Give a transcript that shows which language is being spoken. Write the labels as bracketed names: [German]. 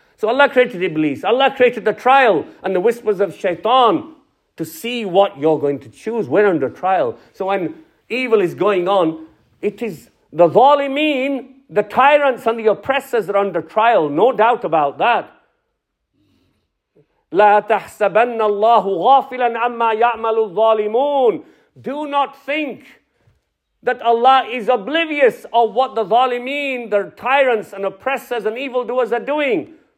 [English] So Allah created Iblis. Allah created the trial and the whispers of shaitan to see what you're going to choose. We're under trial. So when evil is going on, it is the zalimeen, the tyrants and the oppressors are under trial. No doubt about that. [Arabic] لا تحسبن الله غافلا عما يعمل الظالمون. [English] Do not think that Allah is oblivious of what the zalimeen, the tyrants and oppressors and evildoers are doing.